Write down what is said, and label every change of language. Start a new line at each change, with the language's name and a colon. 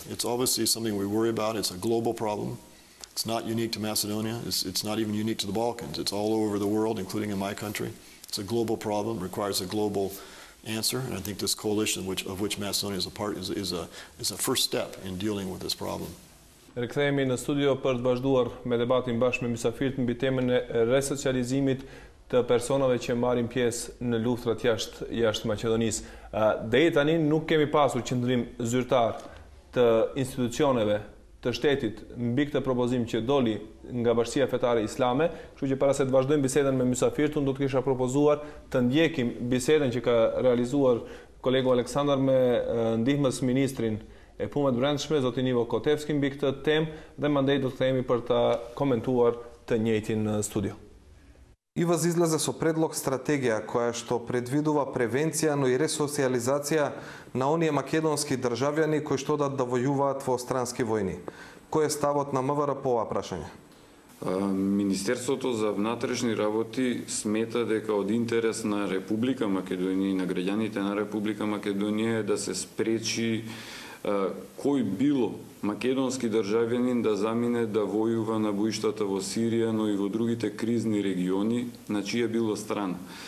English: It's obviously something we worry about. It's a global problem. It's not unique to Macedonia. It's not even unique to the Balkans. It's all over the world, including in my country. It's a global problem, requires a global answer, and I think this coalition of which Macedonia is a part is a first step in dealing with this problem.
Albanian: Rikthehemi në studio për të vazhduar me debatin bashkë me mysafirët mbi temën e resocializimit të personave që marrin pjesë në luftrat jashtë Maqedonisë. Deri tani nuk kemi pasur qëndrim zyrtar të institucioneve të shtetit mbi këtë propozim që doli nga Bashkësia Fetare Islame, kështu që para se të vazhdojmë bisedën me mysafirët, unë do të kisha propozuar të ndjekim bisedën që ka realizuar kolegu Aleksandar me ndihmës ministrin e punëve brendshme, zotin Ivo Kotevski, mbi këtë temë dhe mandej do të themi për ta komentuar të njëjtin në studio.
Macedonian: ИВАЗ излезе со предлог стратегија која што предвидува превенција, но и ресоцијализација на оние македонски државјани кои што одат да војуваат во странски војни. Кој е ставот на МВР по ова прашање? Министерството за внатрешни работи смета дека од интерес на Република Македонија и на граѓаните на Република Македонија е да се спречи кој било македонски државјанин да замине да војува на бојштата во Сирија, но и во другите кризни региони, на чија било страна.